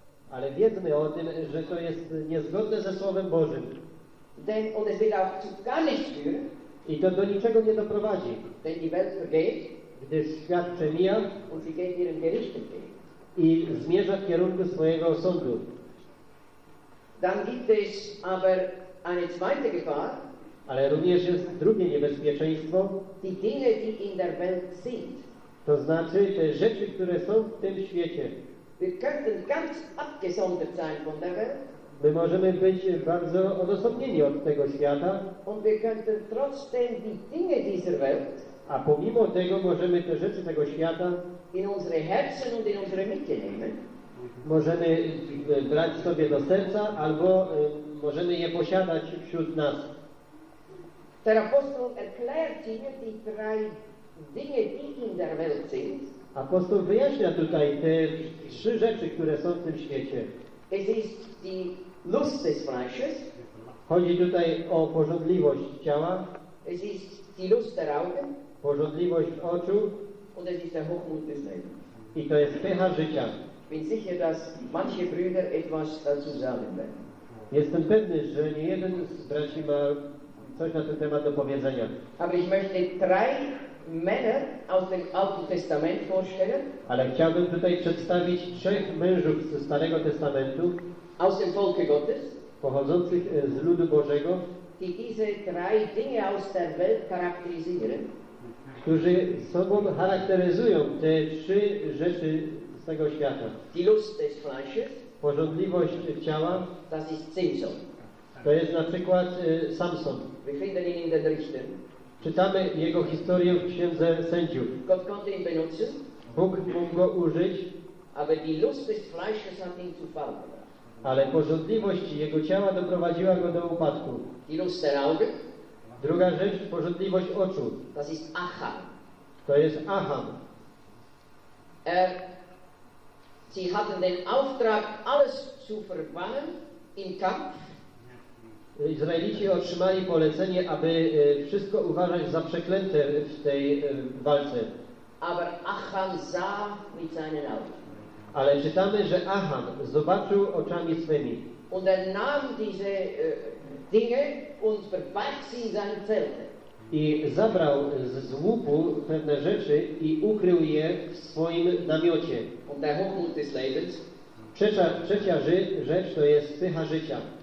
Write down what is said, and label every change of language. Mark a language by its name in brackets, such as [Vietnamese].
[Polish] Ale wiedzmy o tym, że to jest niezgodne ze Słowem Bożym. [German] Denn, und es wird auch zu gar nicht führen. [Polish] I to do niczego nie doprowadzi. [German] Denn die Welt vergeht, [Polish] gdyż świat przemija. [German] Und sie geht ihren Gericht entgegen. [Polish] I zmierza w kierunku swojego sądu. [German] Dann gibt es aber eine zweite Gefahr. [Polish] Ale również jest drugie niebezpieczeństwo. [German] Die Dinge, die in der Welt sind. [Polish] To znaczy te rzeczy, które są w tym świecie. [German] Wir könnten ganz abgesondert sein von der Welt. [Polish] My możemy być bardzo odosobnieni od tego świata. [German] Und wir könnten trotzdem die Dinge dieser Welt. [Polish] A pomimo tego możemy te rzeczy tego świata [German] in unsere Herzen und in unsere Mitte nehmen. [Polish] Możemy brać sobie do serca, albo możemy je posiadać wśród nas. [German] Der Apostel erklärt hier die drei Dinge, die in der Welt sind. [Polish] Apostel wyjaśnia tutaj te trzy rzeczy, które są w tym świecie. [German] Es ist die Lust des Fleisches. [Polish] Chodzi tutaj o pożądliwość ciała. [German] Es ist die Lust der Augen. [Polish] Pożądliwość oczu. [German] Und es ist der Hochmut des Lebens. [Polish] I to jest pycha życia. [German] Bin sicher, dass manche Brüder etwas dazu sagen werden. [Polish] Jestem pewny, że nie jeden z braci ma coś na ten temat do powiedzenia. [German] Aber ich möchte drei Männer aus dem Alten Testament vorstellen. [Polish] Ale chciałbym tutaj przedstawić trzech mężów ze Starego Testamentu. [German] Aus dem Volke Gottes. [Polish] Pochodzących z ludu Bożego. [German] Die diese drei Dinge aus der Welt charakterisieren. [Polish] Którzy sobą charakteryzują te trzy rzeczy z tego świata. [German] Die Lust des Fleisches. [Polish] Pożądliwość ciała. [German] Das ist Simson. [Polish] To jest na przykład Samson. [German] Wir finden ihn in den Richtern. [Polish] Czytamy jego historię w Księdze Sędziów. [German] Gott konnte ihn benutzen. [Polish] Bóg mógł go użyć. [German] Aber die Lust des Fleisches hat ihn zu fall gebracht. [Polish] Ale pożądliwość jego ciała doprowadziła go do upadku. [German] Die Lust der Augen. [Polish] Druga rzecz, pożądliwość oczu. [German] Das ist Acham. [Polish] To jest Acham. [German] Sie hatten den Auftrag, alles zu verbannen im Kampf. [Polish] Izraelici otrzymali polecenie, aby wszystko uważać za przeklęte w tej walce. [German] Aber Acham sah mit seinen Augen. [Polish] Ale czytamy, że Acham zobaczył oczami swymi. [German] Und er nahm diese Dinge und verbarg sie in seinem Zelte. [Polish] I zabrał z łupu pewne rzeczy i ukrył je w swoim namiocie. [German] Und der Hochmut des Lebens. [Polish] Trzecia rzecz to jest pycha życia.